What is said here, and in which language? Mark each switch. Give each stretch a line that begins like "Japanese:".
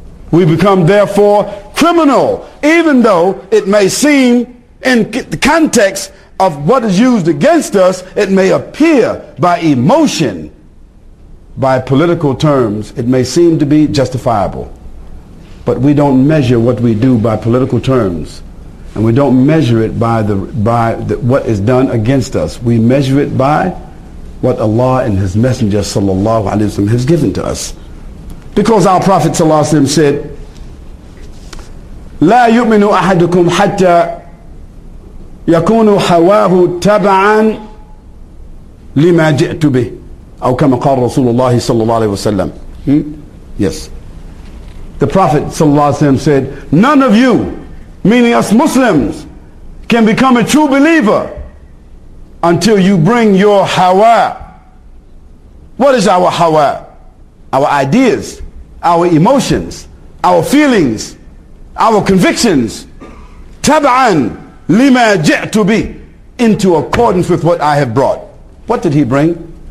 English: We become therefore criminal, even though it may seem in the context of what is used against us, it may appear by emotion, by political terms, it may seem to be justifiable. But we don't measure what we do by political terms. And we don't measure it by what is done against us. We measure it by what Allah and His Messenger sallallahu alaihi wasallam has given to us. Because our Prophet sallallahu alaihi wasallam said,
Arabic: لا يؤمن أحدكم حتى يكون هواه تبعا لما جئت به أو كما قال رسول الله صلى الله عليه وسلم.
English: Yes. The Prophet sallallahu alaihi wasallam said, none of you, meaning us Muslims, can become a true believer until you bring your hawa. What is our hawa? Our ideas, our emotions, our feelings, our convictions,
Arabic: taba'an lima ja'tu bi,
English: into accordance with what I have brought. What did he bring?